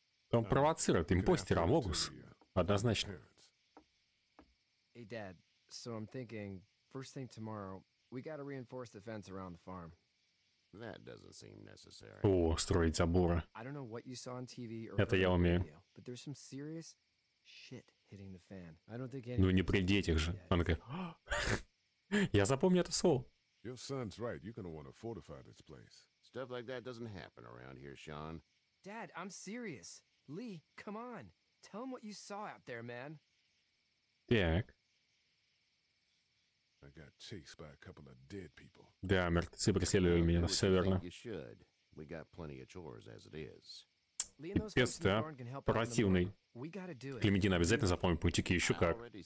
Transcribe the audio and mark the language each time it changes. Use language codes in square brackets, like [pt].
[ru] Он провоцирует, импостер, амогус. Однозначно. Эй, дед, [en] so I'm thinking, first thing tomorrow, we gotta reinforce the fence around the farm. That doesn't seem necessary. [ru] О, строить заборы. [en] I don't know what you saw on TV or [ru] это я умею. [en] Video, but there's some serious shit hitting the fan. I don't think [ru] ну не при детях же. Она такая, я запомню это слово. [en] Your son's right, you're gonna want to fortify this place. Stuff like that doesn't happen around here, Sean. Dad, I'm serious. Lee, come on. Tell him what you saw out there, man. [ru] Так. [en] I got chased by a couple of dead people. [ru] Да, мертвецы преследовали меня, все верно. [en] We got plenty of chores as it is. [ru] Пипец, да, противный. Клементина, обязательно запомни пунктики, еще как.